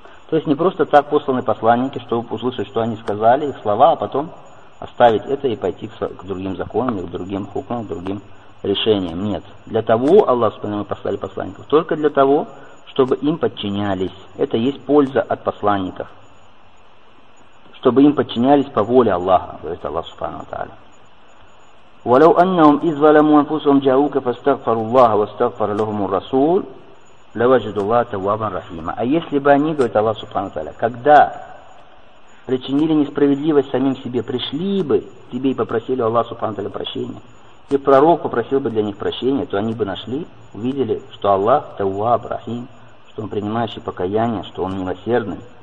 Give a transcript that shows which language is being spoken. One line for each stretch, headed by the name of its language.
Russian: То есть не просто так посланы посланники, чтобы услышать, что они сказали, их слова, а потом оставить это и пойти к другим законам, к другим хукмам, к другим решениям. Нет. Для того, Аллах Субхану, мы послали посланников, только для того, чтобы им подчинялись. Это есть польза от посланников. Чтобы им подчинялись по воле Аллаха, говорит Аллах Субхану ва Тааля.
Arabic: ولو انهم اذ ظلموا انفسهم جاءوك فاستغفر الله واستغفر لهم الرسول لوجد الله توابا رحيما.
Russian: А если бы они, говорит Аллах Субхану ва Тааля, когда причинили несправедливость самим себе, пришли бы тебе и попросили Аллах Субхану ва Тааля прощения, и пророк попросил бы для них прощения, то они бы нашли, увидели, что Аллах тауаб рахим, что он принимающий покаяние, что он милосердный.